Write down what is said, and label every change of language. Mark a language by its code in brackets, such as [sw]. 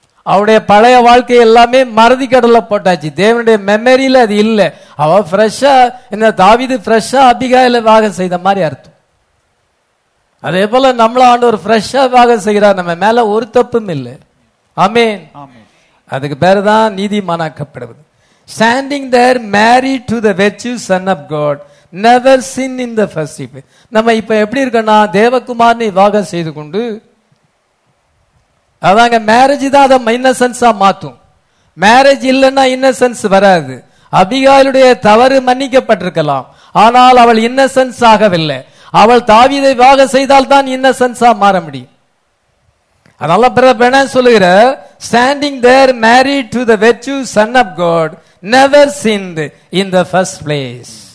[ta] அவருடைய பழைய வாழ்க்கை எல்லாமே மறதி கடல்ல போட்டாச்சு. தேவனுடைய மெமரியில அது இல்லை. அவ ஃப்ரெஷ்ஷா, என்ன தாவீது ஃப்ரெஷ்ஷா அபிகாயில விவாகம் செய்த மாதிரி அர்த்தம். அதே போல நம்மள ஆண்டவர் ஃப்ரெஷ்ஷா விவாகம் செய்கிறார், நம்ம மேல ஒரு தப்பும் இல்லை. ஆமென். அதுக்கு பேருதான் நீதிமானாக்கப்படுவது. [en] Standing there married to the virtue son of God, never sin in the first place. [ta] நம்ம இப்ப எப்படி இருக்கோம்னா, தேவகுமாரனை விவாகம் செய்து கொண்டு, அதாங்க மேரேஜ் தான் அதை இன்னசென்ஸா மாத்தும். மேரேஜ் இல்லைன்னா இன்னசென்ஸ் வராது. அபிகாயிலுடைய தவறு மன்னிக்கப்பட்டிருக்கலாம், ஆனால் அவள் இன்னசென்ஸ் ஆகவில்லை. அவள் தாவீதை விவாகம் செய்தால் தான் இன்னசென்ஸா மாற முடியும். அதனால பிரதர் பிரணாம் சொல்லுகிற, [en] Standing there married to the virtue son of God, never sinned in the first place.